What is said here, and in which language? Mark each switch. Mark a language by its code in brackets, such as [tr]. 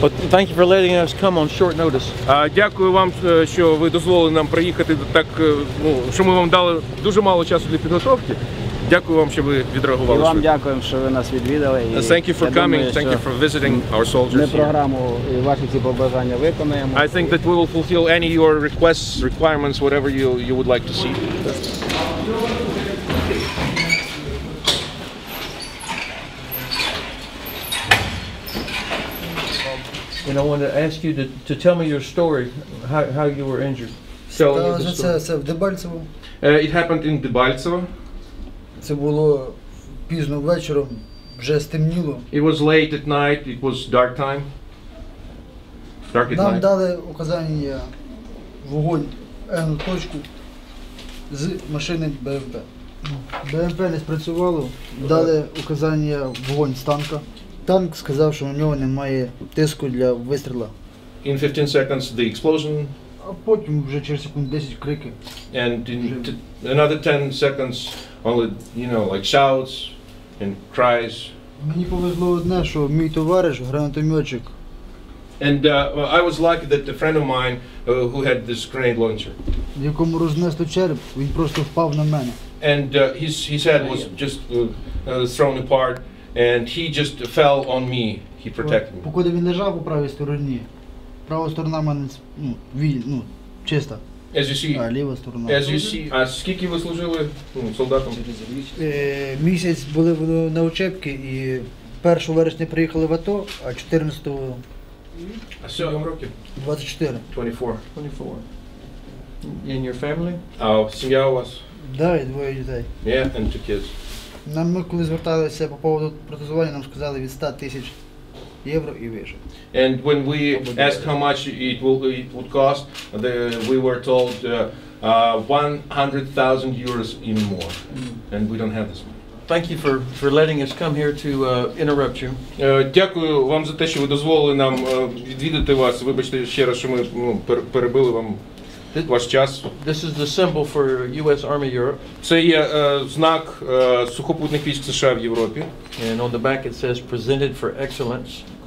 [en] Thank you for letting us come on short notice. [uk] Дякую вам, що ви дозволили нам приїхати так, ну, що ми вам дали дуже мало часу для підготовки. Дякую вам, що ви відреагували. І вам дякуємо, що ви нас відвідали. [en] Thank you for coming. Thank you for visiting our soldiers. [uk] Ми програму і ваші ці побажання виконаємо. [en] I think that we will fulfill any your requests, requirements, whatever you would like to see. And I want to ask you to tell me your story, how you were injured. Tell me the story. [uk] Це в Дебальцево. [en] It happened in Дебальцево. [uk] Це було пізно вечором, вже стемніло. [en] It was late at night, it was dark time. Dark at [uk] Нам [en] night. [uk] Дали указання вогонь N точку з машини БМП. БМП не спрацювало, дали указання вогонь з танка. Танк сказав, що у нього немає тиску для вистріла. [en] In 15 seconds the explosion. [uk] А потім вже через секунд 10 крики. [en] And in another 10 seconds only, you know, like shouts and cries. [uk] Мені повезло одне, що мій товариш, гранатомётчик. [en] And I was lucky that a friend of mine who had this grenade launcher. [uk] Якому рознесло череп, він просто впав на мене. [en] And his head was just thrown apart. And he just fell on me, he protected me. [uk] Покуди він лежав у правій стороні, права сторона мене, ну, вільну, чиста. [en] As you see, [uk] а ліва сторона. [en] As you see, [uk] а скільки ви служили солдатом? Місяць були на учебці, і 1 вересня приїхали в АТО, а 14-го... А скільки вам років? [en] 24. And your family? [uk] А сім'я у вас? Да, і двоє дітей. [en] Yeah, and two kids. [uk] Нам, ми коли зверталися по поводу протезування, нам сказали від 100 тисяч євро і вище. [en] And when we asked how much it would cost, we were told 100,000 euros even more. And we don't have this money. Thank you for letting us come here to interrupt you. [uk] Дякую вам за те, що ви дозволили нам відвідати вас. Вибачте ще раз, що ми перебили вам ваш час. [en] This is the symbol for US Army Europe. [uk] Це є знак сухопутних військ США в Європі. [en] And on the back it says presented for excellence.